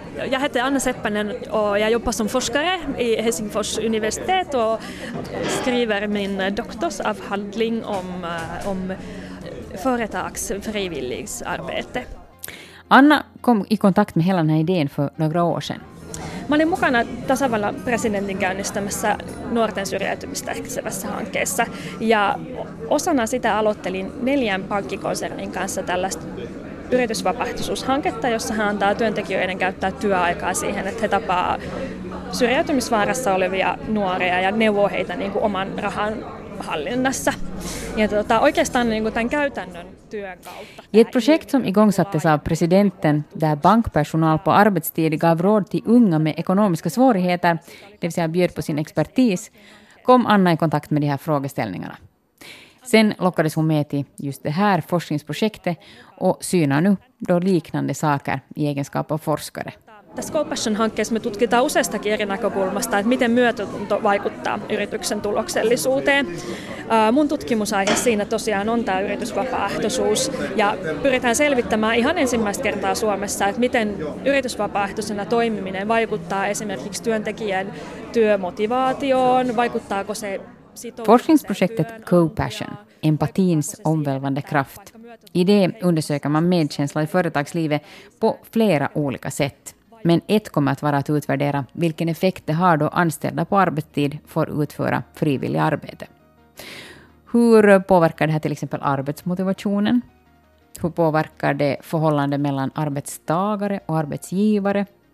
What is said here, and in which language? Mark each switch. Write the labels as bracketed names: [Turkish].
[Swedish] Jag heter Anna Seppänen och jag jobbar som forskare i Helsingfors universitet och skriver min doktorsavhandling om företagsfrivilligsarbete. Anna kom i kontakt med hela den här idén för några år sedan. [Finnish] Mä olin mukana tasavallan presidentin käynnistämässä nuorten syrjäytymistä ehkäisevässä hankkeessa. Ja osana sitä aloittelin 4 pankkikonsernin kanssa tällaista yritysvapaaehtoisuushanketta, jossa hän antaa työntekijöiden käyttää työaikaa siihen, että he tapaa syrjäytymisvaarassa olevia nuoria ja neuvoo heitä niin kuin oman rahan hallinnassa. Ja oikeastaan niin kuin tämän käytännön työn kautta. [Swedish] I ett projekt som igångsattes av presidenten, där bankpersonal på arbetstid gav råd till unga med ekonomiska svårigheter, det vill säga bjöd på sin expertis, kom Anna i kontakt med de här frågeställningarna. Sen lockades hon med till just det här forskningsprojektet och synar nu då liknande saker i egenskap av forskare. [Finnish] Tässä GoPassion-hankkeessa me tutkitaan useastakin eri näkökulmasta, että miten myötätunto vaikuttaa yrityksen tuloksellisuuteen. Mun tutkimusaihe siinä tosiaan on tämä yritysvapaaehtoisuus, ja pyritään selvittämään ihan ensimmäistä kertaa Suomessa, että miten yritysvapaaehtoisena toimiminen vaikuttaa esimerkiksi työntekijän työmotivaatioon, vaikuttaako se sitoutumiseen. [Swedish] Forskningsprojektet GoPassion, empatins omvälvande kraft. I det undersöker man medkänsla i företagslivet på flera olika sätt. Men ett kommer att vara att utvärdera vilken effekt det har då anställda på arbetstid får utföra frivillig arbete. Hur påverkar det här till exempel arbetsmotivationen? Hur påverkar det förhållandet mellan arbetstagare och arbetsgivare?